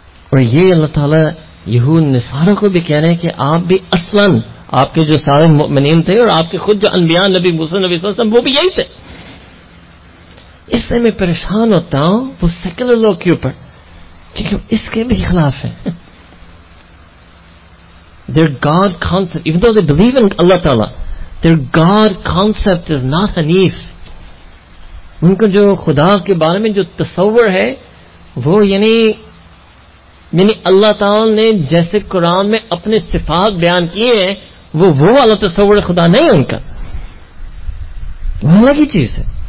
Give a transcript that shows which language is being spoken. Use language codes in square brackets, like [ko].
[ur] اور یہ اللہ تعالیٰ یہود نصارہ کو بھی کہہ رہے ہیں کہ آپ بھی اصلاً آپ کے جو سارے مؤمنین تھے اور آپ کے خود جو انبیاء نبی موسیٰ نبی صلی اللہ علیہ وسلم وہ بھی یہی تھے. اس سے میں پریشان ہوتا ہوں وہ سیکولر لوگ کے اوپر, کیونکہ اس کے بھی خلاف ہیں. [en] Their God concept, even though they believe in Allah Ta'ala, their God concept is not Hanif. [ur] ان کا جو خدا کے بارے میں جو تصور ہے وہ یعنی اللہ تعالیٰ نے جیسے قرآن میں اپنے صفات بیان کیے ہیں وہ والا تصور خدا نہیں ان کا, وہ الگ ہی چیز ہے.